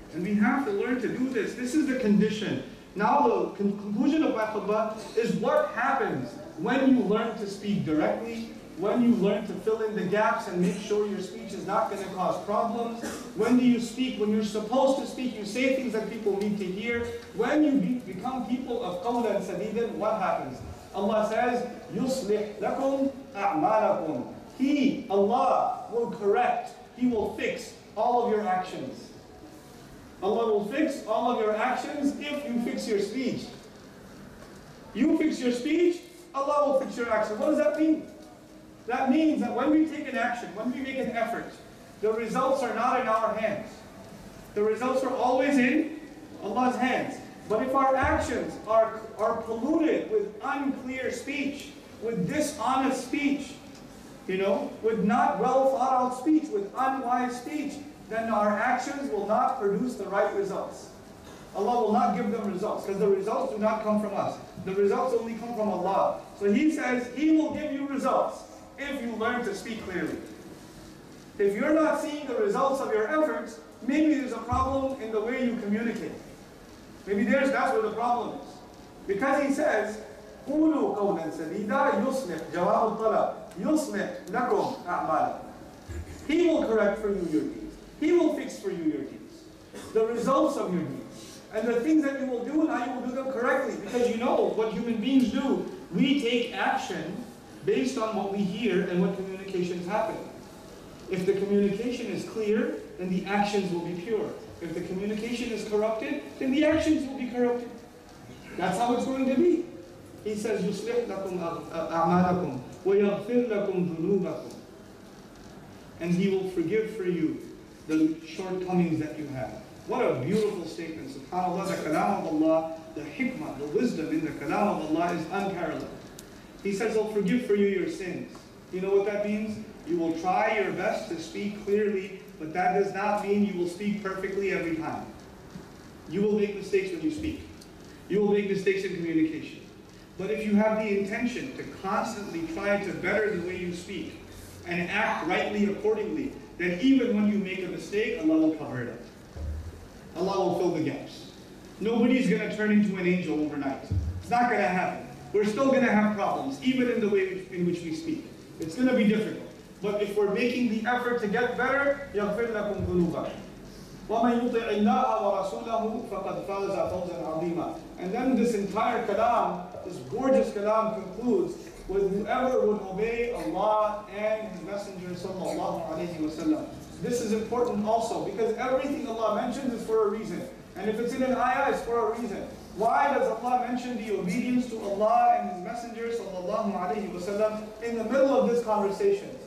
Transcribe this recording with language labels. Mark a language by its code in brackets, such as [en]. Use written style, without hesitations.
[en] And we have to learn to do this. This is the condition. Now the conclusion of my khutbah is what happens when you learn to speak directly, when you learn to fill in the gaps and make sure your speech is not going to cause problems. When do you speak? When you're supposed to speak, you say things that people need to hear. When you become people of [ar] qawlan sadidan, [en] what happens? Allah says, [ar] يُصْلِحْ لَكُمْ أَعْمَالَكُمْ. [en] He, Allah, will correct, He will fix all of your actions. Allah will fix all of your actions if you fix your speech. You fix your speech, Allah will fix your actions. What does that mean? That means that when we take an action, when we make an effort, the results are not in our hands. The results are always in Allah's hands. But if our actions are polluted with unclear speech, with dishonest speech, you know, with not well thought out speech, with unwise speech, then our actions will not produce the right results. Allah will not give them results, because the results do not come from us. The results only come from Allah. So He says He will give you results if you learn to speak clearly. If you're not seeing the results of your efforts, maybe there's a problem in the way you communicate. Maybe that's where the problem is. Because he says, [ar] قُولُوا قَوْلًا سَدِيدًا يُصْلِحْ جَوَابُ الطَّلَبْ يُصْلِحْ لَكُمْ أَعْمَالًا. [en] He will correct for you your deeds. He will fix for you your deeds. The results of your deeds. And the things that you will do, now you will do them correctly. Because you know what human beings do. We take action based on what we hear and what communications happen. If the communication is clear, then the actions will be pure. If the communication is corrupted, then the actions will be corrupted. That's how it's going to be. He says, [ar] يُصْلِحْ لَكُمْ أَعْمَالَكُمْ وَيَغْفِرْ لَكُمْ ذُنُوبَكُمْ. [en] And He will forgive for you the shortcomings that you have. What a beautiful statement. SubhanAllah, the kalam of Allah, the hikmah, the wisdom in the kalam of Allah is unparalleled. He says, I'll forgive for you your sins. You know what that means? You will try your best to speak clearly, but that does not mean you will speak perfectly every time. You will make mistakes when you speak. You will make mistakes in communication. But if you have the intention to constantly try to better the way you speak and act rightly accordingly, then even when you make a mistake, Allah will cover it up. Allah will fill the gaps. Nobody's going to turn into an angel overnight. It's not going to happen. We're still going to have problems, even in the way in which we speak. It's going to be difficult. But if we're making the effort to get better, [ar] يَغْفِرْ لَكُمْ ذُنُوبَكُمْ وَمَنْ يُطِعِ اللَّهَ وَرَسُولَهُ فَقَدْ فَازَ فَوْزًا عَظِيمًا. [en] And then this entire kalam, this gorgeous kalam, concludes with whoever would obey Allah and His Messenger [ar] sallallahu alayhi wa sallam. [en] This is important also, because everything Allah mentions is for a reason. And if it's in an ayah, it's for a reason. Why does Allah mention the obedience to Allah and His Messenger [ar] sallallahu alayhi wa sallam [en] in the middle of this conversation?